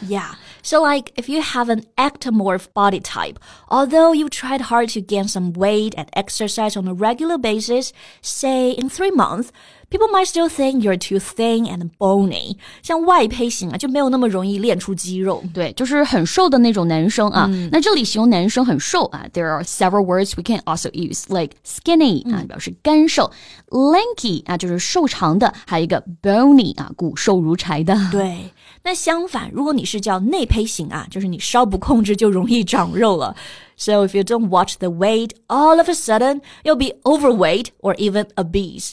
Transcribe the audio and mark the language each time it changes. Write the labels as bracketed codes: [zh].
[en] Yeah So like if you have an ectomorph body type, although you've tried hard to gain some weight and exercise on a regular basis, say in 3 months, people might still think you're too thin and bony. [zh] 像外胚型啊就没有那么容易练出肌肉。对就是很瘦的那种男生啊、嗯、那这里形容男生很瘦啊 [en] there are several words we can also use, like [zh] skinny, 啊、嗯、表示干瘦 lanky, 啊就是瘦长的还有一个 bony, 啊骨瘦如柴的。对。那相反如果你是叫内胚型啊就是你稍不控制就容易长肉了。 [en] So if you don't watch the weight, all of a sudden, you'll be overweight or even obese.、